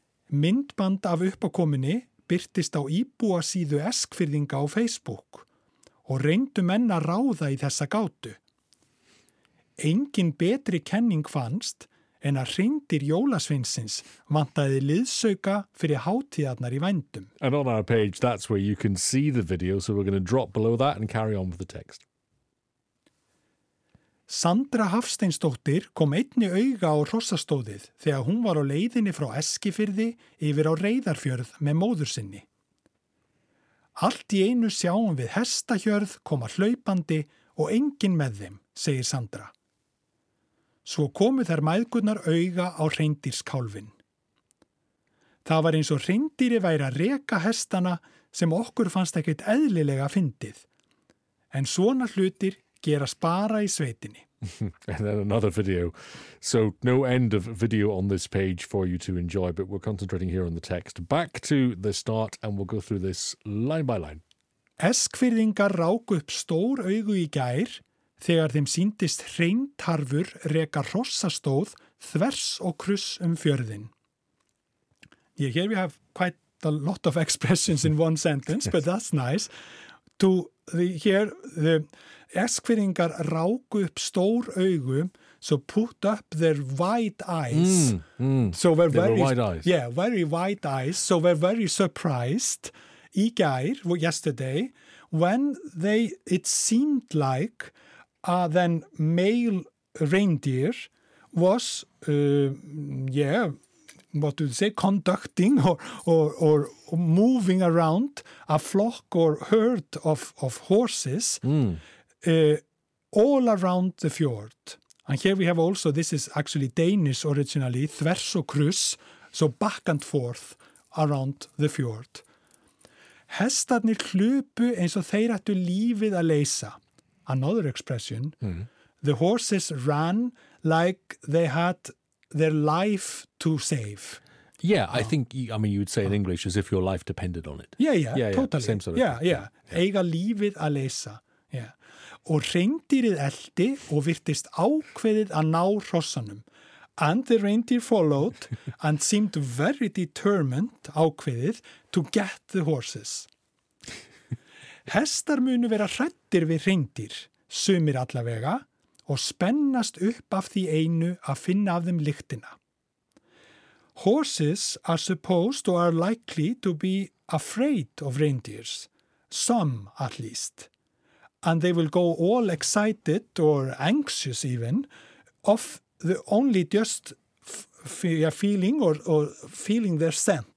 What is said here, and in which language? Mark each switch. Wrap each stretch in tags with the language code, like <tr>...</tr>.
<is>Myndband af uppákomunni birtist á íbúasíðu Eskfirðinga á Facebook og reyndu menn að ráða í þessa gátu. Engin betri kenning fannst en að hreindýr jólasveinsins vantaði liðsauka fyrir hátíðarnar í vændum.</is> <en>And on our page, that's where you can see the video, so we're going to drop below that and carry on with the text.</en> <is>Sandra Hafsteinsdóttir kom einni auga á hrossastóðið þegar hún var á leiðinni frá Eskifirði yfir á Reyðarfjörð með móður sinni. Allt í einu sjáum við hestahjörð koma hlaupandi og engin með þeim, segir Sandra. Svo komu þær mæðgurnar auga á hreindýrskálfin. Það var eins og hreindýri væri að reka hestana sem okkur fannst ekkert eðlilega fyndið. En svona hlutir gerast bara í sveitinni.</is> <en>And then another video. So no end of video on this page for you to enjoy, but we're concentrating here on the text. Back to the start and we'll go through this line by line.</en> <is>Eskfirðingar ráku upp stór augu í gær þegar þeim sýndist hreintarfur reka hrossastóð þvers og kruss fjörðin.</is> <en>Yeah, here we have quite a lot of expressions in one sentence, but that's nice. The Eskfirðingar</en> <is>ráku upp stór augu,</is> <en>so put up their wide eyes. So they're very wide eyes. Yeah, very wide eyes. So they're very surprised.</en> <is>Í gær,</is> <en>yesterday, when it seemed like then male reindeer was, conducting or moving around a flock or herd of horses. All around the fjord. And here we have also, this is actually Danish originally,</en> <is>þvers og kruss,</is> <en>so back and forth around the fjord.</en> <is>Hestarnir hlupu eins og þeir ættu lífið að leysa.</is> <en>Another expression, the horses ran like they had their life to save. Yeah, I think, you would say in English as if your life depended on it. Yeah, totally. Same sort of thing.</en> <is>Eiga lífið að leysa. Yeah. Og reindýrið elti og virtist ákveðið að ná hrossanum.</is> <en>And the reindeer followed and seemed very determined, ákveðið, to get the horses.</en> <is>Hestar munu vera hræddir við reindýr, sumir allavega, og spennast upp af því einu að finna af þeim lyktina.</is> <en>Horses are supposed or are likely to be afraid of reindeers, some at least, and they will go all excited or anxious even of the only just feeling or feeling their scent.</en>